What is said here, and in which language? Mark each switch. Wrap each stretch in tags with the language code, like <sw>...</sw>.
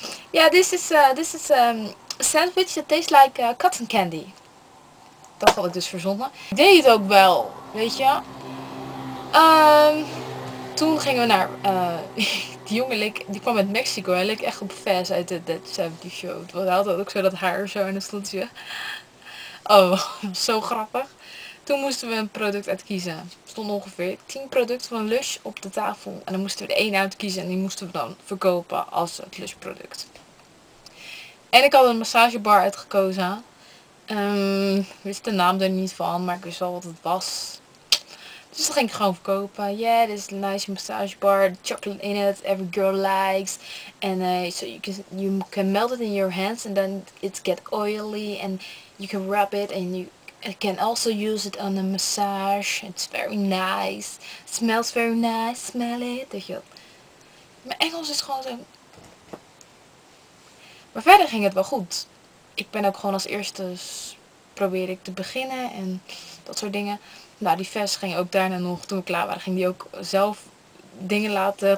<en>Ja, this is sandwich that tastes like cotton candy.</en> <nl>Dat had ik dus verzonnen. Ik deed het ook wel, weet je. Toen gingen we naar die jongen, die kwam uit Mexico. Hij leek echt op Fez uit de Dead 70 Show. Het was altijd ook zo dat haar zo in het stoeltje. Oh, zo grappig. Toen moesten we een product uitkiezen. Er stonden ongeveer 10 producten van Lush op de tafel. En dan moesten we er één uitkiezen en die moesten we dan verkopen als het Lush product. En ik had een massagebar uitgekozen. Ik wist de naam er niet van, maar ik wist wel wat het was. Dus dat ging ik gewoon verkopen.</nl> <en>Yeah, this is a nice massage bar. Chocolate in it. Every girl likes. And so you can melt it in your hands. And then it get oily. And you can rub it. And you can also use it on a massage. It's very nice. Smells very nice. Smell it.</en> <nl>Mijn Engels is gewoon zo. Maar verder ging het wel goed. Ik ben ook gewoon als eerste probeer ik te beginnen. En dat soort dingen. Nou, die vest ging ook daarna nog, toen we klaar waren, ging die ook zelf dingen laten.</nl>